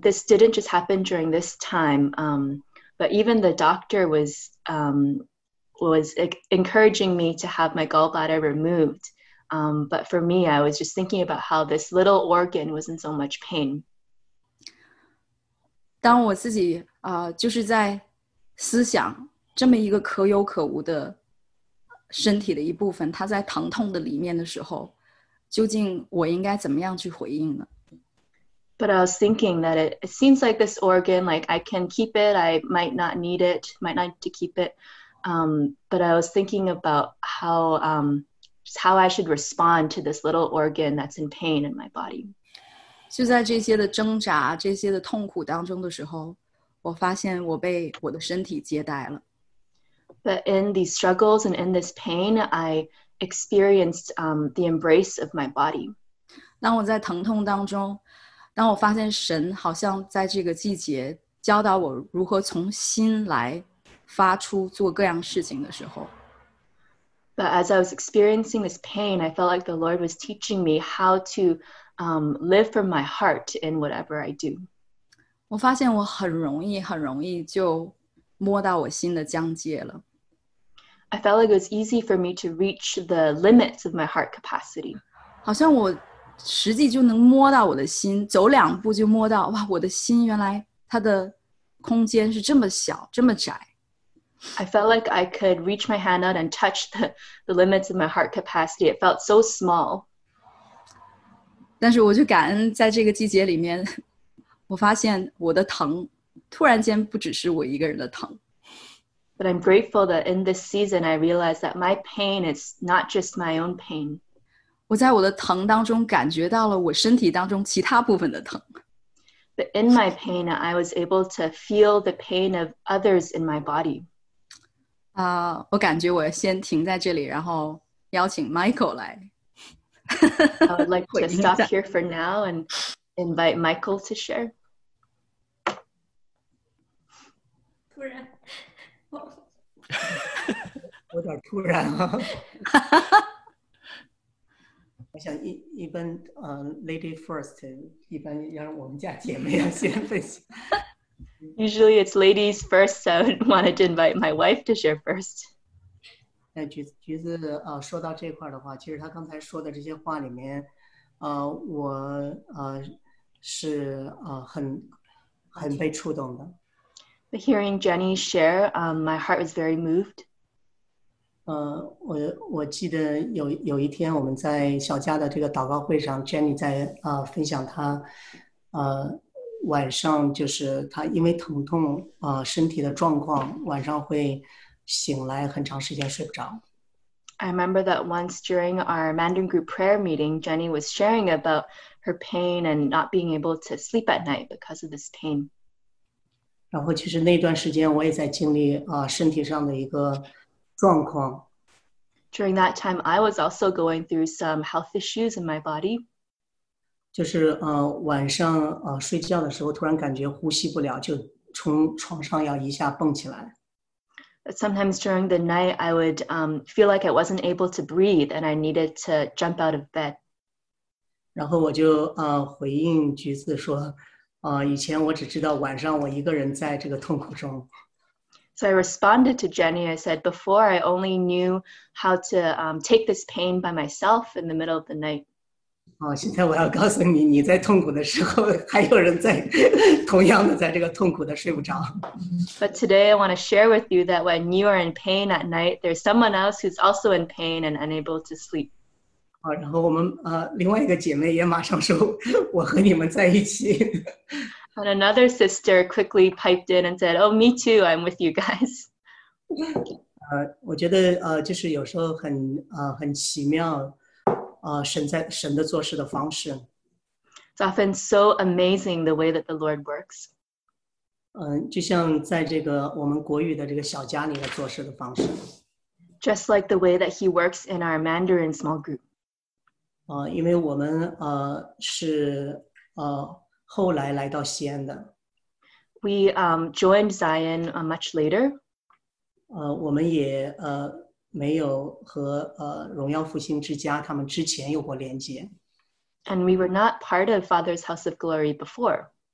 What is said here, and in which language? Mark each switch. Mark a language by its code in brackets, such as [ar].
[en] This didn't just happen during this time, but even the doctor was encouraging me to have my gallbladder removed. But for me, I was just thinking about how this little organ was in so much pain. [zh] 当我自己就是在思想这么一个可有可无的身体的一部分，它在疼痛的里面的时候，究竟我应该怎么样去回应呢？ [en] But I was thinking that it seems like this organ, like I can keep it, I might not need it, might not need to keep it. But I was thinking about how I should respond to this little organ that's in pain in my body. [zh] 就在这些的挣扎，这些的痛苦当中的时候，我发现我被我的身体接待了。 [en] But in these struggles and in this pain, I experienced the embrace of my body. [zh] 当我在疼痛当中，当我发现神好像在这个季节教导我如何从心来发出做各样事情的时候。 [en] But as I was experiencing this pain, I felt like the Lord was teaching me how to live from my heart in whatever I do. [zh] 我发现我很容易很容易就摸到我心的疆界了。 [en] I felt like it was easy for me to reach the limits of my heart capacity. [zh] 好像我实际就能摸到我的心，走两步就摸到，哇，我的心原来它的空间是这么小，这么窄。 [en] I felt like I could reach my hand out and touch the limits of my heart capacity. It felt so small. [zh] 但是我就感恩在这个季节里面，我发现我的疼突然间不只是我一个人的疼。 [en] But I'm grateful that in this season I realized that my pain is not just my own pain. [zh] 我在我的疼当中感觉到了我身体当中其他部分的疼。 [en] But in my pain I was able to feel the pain of others in my body. [zh] 我感觉我先停在这里，然后邀请 Michael 来。 [en] I would like to stop here for now and invite Michael to share. [zh] 突然，有点突然啊！我想一般 [en] lady first， [zh] 一般让我们家姐妹要先分享。 [en] Usually it's ladies first, so I wanted to invite my wife to share first. [zh] 橘子说到这块的话，其实他刚才说的这些话里面，我是很被触动的。 [en] But hearing Jenny share, my heart was very moved. [zh] 我记得有一天我们在小家的这个祷告会上 ，Jenny 在分享她晚上就是他因为疼痛身体的状况晚上会醒来很长时间睡不着。 [en] I remember that once during our Mandarin group prayer meeting, Jenny was sharing about her pain and not being able to sleep at night because of this pain. [zh] 然后其实那段时间我也在经历身体上的一个状况。 [en] During that time, I was also going through some health issues in my body. [zh] 就是晚上睡觉的时候突然感觉呼吸不了，就从床上要一下蹦起来。 [en] But sometimes during the night, I would feel like I wasn't able to breathe and I needed to jump out of bed. [zh] 然后我就回应橘子说，以前我只知道晚上我一个人在这个痛苦中。 [en] So I responded to Jenny, I said, before I only knew how to take this pain by myself in the middle of the night. [zh] 现在我要告诉你，你在痛苦的时候，还有人在同样的在这个痛苦的睡不着。 [en] But today I want to share with you that when you are in pain at night, there's someone else who's also in pain and unable to sleep. [zh] 然后我们另外一个姐妹也马上说，我和你们在一起。 [en] And another sister quickly piped in and said, "Oh, me too. I'm with you guys." [zh] 我觉得就是有时候很奇妙。神的做事的方式。 [en] It's often so amazing the way that the Lord works. [zh] 就像在这个我们国语的这个小家里的做事的方式。 [en] Just like the way that he works in our Mandarin small group. [zh] 因为我们是后来来到西安的。 [en] We joined Zion much later. [zh] 我们也没有和荣耀复兴之家他们之前有过连接。 [en] And we were not part of Father's House of Glory before.